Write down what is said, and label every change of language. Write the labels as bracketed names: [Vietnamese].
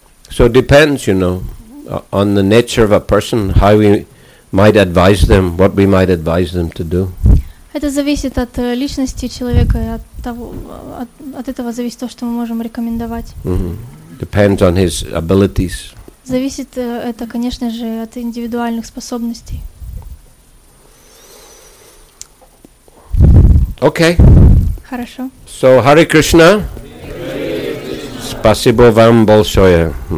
[English] So it depends, you know, on the nature of a person, how we might advise them, what we might advise them to do. [Russian] Это зависит от личности человека, от того, от этого зависит то, что мы можем рекомендовать. Mm-hmm. [English] Depends on his abilities. [Russian] Зависит это, конечно же, от индивидуальных способностей. [English] Okay. [Russian] Хорошо. [English] So, Hare Krishna. [Russian] Спасибо вам большое.